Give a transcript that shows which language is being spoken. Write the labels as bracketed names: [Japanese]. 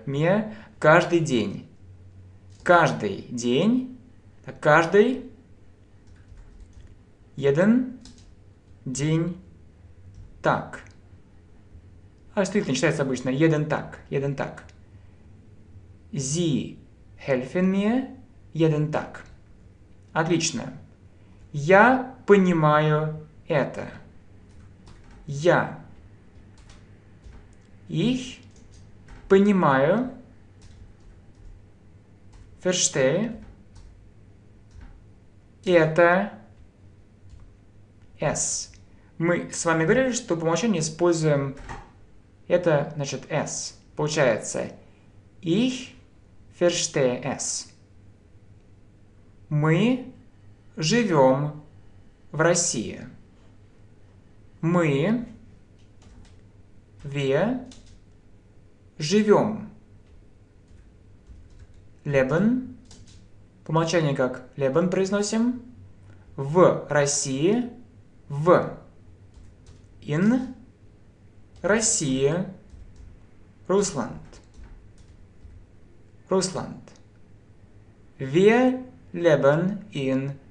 [Russian] Мне, каждый день. Каждый день. Каждый. [German] Jeden [Russian] день. Так. А действительно, читается обычно [German] «jeden Tag», «jeden Tag». «Sie helfen mir jeden Tag». [Russian] Отлично. Я понимаю это. Я. [German] Ich [Russian] понимаю. [German] Verstehe. [Russian] Это. [German] Es. [Russian] Мы с вами говорили, что по умолчанию используем это, значит, S. Получается, [German] ich verstehe S. [Russian] Мы живем в России. Мы, [German] wir, [Russian] живем. [German] Leben, [Russian] по умолчанию как [German] leben [Russian] произносим, в России, в. [German] In [Russian] Россия, [German] Русланд, Русланд. Wir leben in